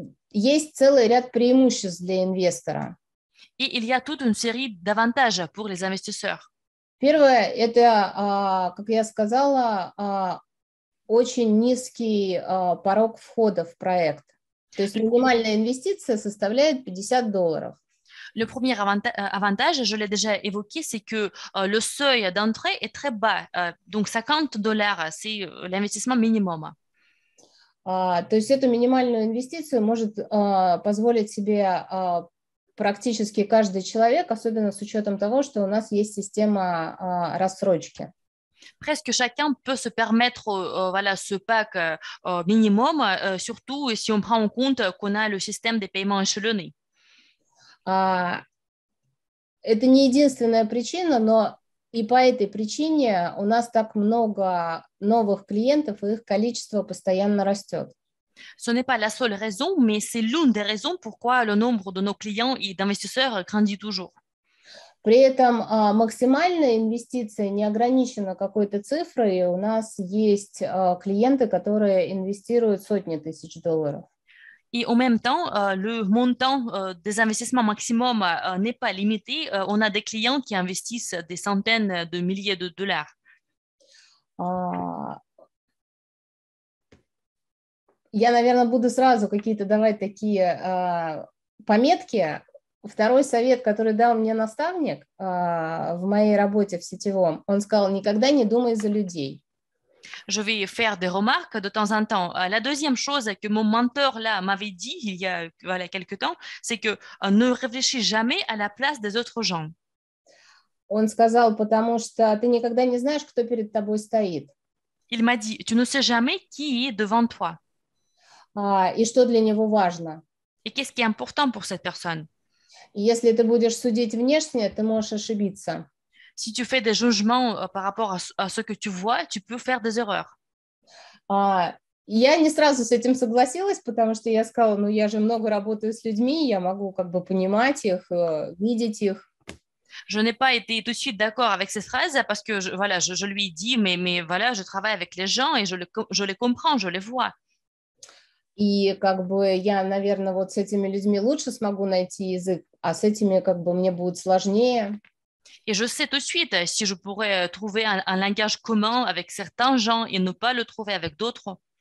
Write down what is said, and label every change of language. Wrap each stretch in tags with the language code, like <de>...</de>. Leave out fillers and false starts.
<ru>Есть целый ряд преимуществ для инвестора.</ru> <fr>Et il y a toute une série d'avantages pour les investisseurs.</fr> <ru>Первое, это, как я сказала, очень низкий порог входа в проект. То есть минимальная инвестиция составляет $50.</ru> <fr>Le premier avantage, je l'ai déjà évoqué, c'est que le seuil d'entrée est très bas. Donc $50, c'est l'investissement minimum.</fr> <ru>То есть эту минимальную инвестицию может позволить себе практически каждый человек, особенно с учетом того, что у нас есть система рассрочки.</ru> <fr>Presque chacun peut se permettre voilà, ce pack minimum, surtout si on prend en compte qu'on a le système des paiements échelonnés.</fr> <ru>Это не единственная причина, но и по этой причине у нас так много новых клиентов, и их количество постоянно растет.</ru> <fr>Ce n'est pas la seule raison, mais c'est l'une des raisons pourquoi le nombre de nos clients et d'investisseurs grandit toujours.</fr> <ru>При этом максимальная инвестиция не ограничена какой-то цифрой, и у нас есть клиенты, которые инвестируют сотни тысяч долларов. И в</ru> <fr>même temps, le montant des investissements maximum n'est pas limité. On a des clients qui investissent des centaines de milliers de dollars.</fr> <ru>Я, наверное, буду сразу какие-то давать такие пометки. Второй совет, который дал мне наставник в моей работе в сетевом, он сказал: никогда не думай за людей.</ru> <fr>Je vais faire des remarques de temps en temps. La deuxième chose que mon mentor là m'avait dit il y a voilà quelque temps, c'est que ne réfléchis jamais à la place des autres gens.</fr> <ru>Он сказал, потому что ты никогда не знаешь, кто перед тобой стоит.</ru> <fr>Il m'a dit, tu ne sais jamais qui est devant toi.</fr> <ru>И что для него важно?</ru> <fr>Et qu'est-ce qui est important pour cette personne?</fr> <ru>Если ты будешь судить внешне, ты можешь ошибиться.</ru> <fr>Si tu fais des jugements par rapport à ce que tu vois, tu peux faire des erreurs.</fr> <ru>Я не сразу с этим согласилась, потому что я сказала, ну я же много работаю с людьми, я могу как бы понимать их, видеть их.</ru> <fr>Je n'ai pas été tout de suite d'accord avec cette phrase parce que voilà, je lui ai dit, mais voilà, je travaille avec les gens et je les comprends, je les vois.</fr> <ru>И как бы я, наверное, вот с этими людьми лучше смогу найти язык, а с этими как бы мне будет сложнее.</ru> <fr>Et je sais tout de suite si je pourrais trouver un langage commun avec certains gens et ne pas le trouver avec d'autres.</fr>